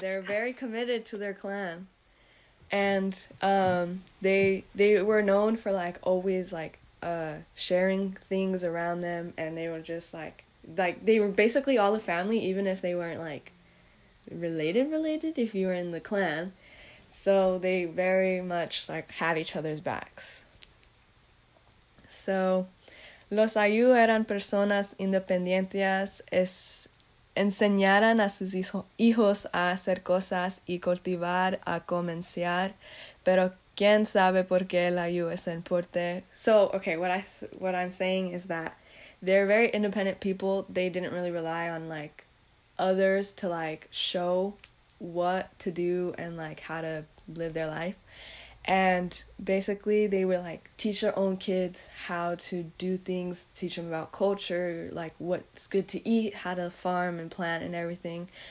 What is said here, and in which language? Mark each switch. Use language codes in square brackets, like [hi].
[en] They're very committed to their clan, and they were known for like always like sharing things around them, and they were just like they were basically all the family, even if they weren't like related if you were in the clan. So they very much like had each other's backs. [es] So los Allyu eran personas independientes, enseñaran a sus hijos a hacer cosas y cultivar, a comerciar, pero quién sabe por qué el Allyu es importante. [en] So, okay, what I'm saying is that they're very independent people. They didn't really rely on, like, others to, like, show what to do and, like, how to live their life. And basically, they would, like, teach their own kids how to do things, teach them about culture, like, what's good to eat, how to farm and plant and everything.